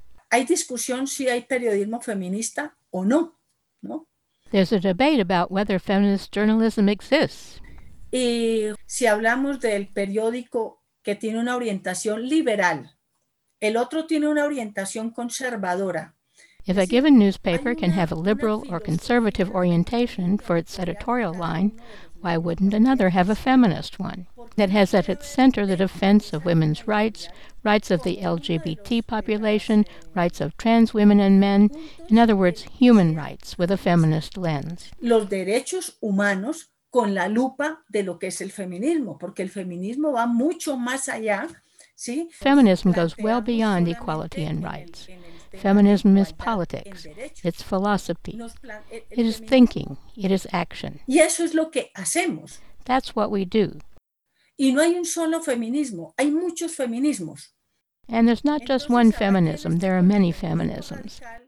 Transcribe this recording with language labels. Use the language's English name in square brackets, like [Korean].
[Spanish] Hay discusión si hay periodismo feminista o no, ¿no? [English] There's a debate about whether feminist journalism exists. [Spanish] Y si hablamos del periódico que tiene una orientación liberal, el otro tiene una orientación conservadora. [English] If a given newspaper can have a liberal or conservative orientation for its editorial line, why wouldn't another have a feminist one that has at its center the defense of women's rights, rights of the LGBT population, rights of trans women and men, in other words, human rights with a feminist lens? [Spanish] Los derechos humanos con la lupa de lo que es el feminismo, porque el feminismo va mucho más allá, ¿sí? [English] Feminism goes well beyond equality and rights. Feminism is politics, it's philosophy, it is thinking, it is action. [Spanish] Y eso es lo que hacemos. [English] That's what we do. [Spanish] Y no hay un solo feminismo, hay muchos feminismos. [English] And there's not just one feminism, there are many feminisms.